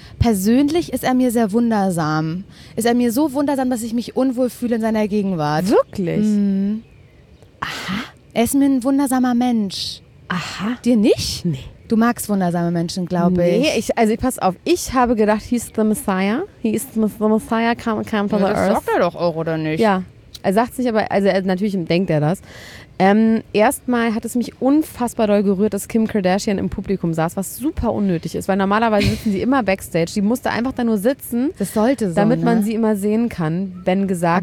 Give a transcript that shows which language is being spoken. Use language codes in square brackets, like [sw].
[de] Persönlich ist er mir sehr wundersam. Ist er mir so wundersam, dass ich mich unwohl fühle in seiner Gegenwart. Wirklich? Mhm. Aha. Er ist mir ein wundersamer Mensch. Aha. Dir nicht? Nee. Du magst wundersame Menschen, glaube ich. Nee, pass auf. Ich habe gedacht, [en] he's the Messiah. He is the Messiah, came to the earth. [de] Das sagt er doch auch, oder nicht? Ja. Er sagt es nicht, aber also natürlich denkt er das. Erstmal hat es mich unfassbar doll gerührt, dass Kim Kardashian im Publikum saß, was super unnötig ist, weil normalerweise sitzen sie immer Backstage. Die musste einfach da nur sitzen, das sollte so, damit ne? man sie immer sehen kann, wenn gesagt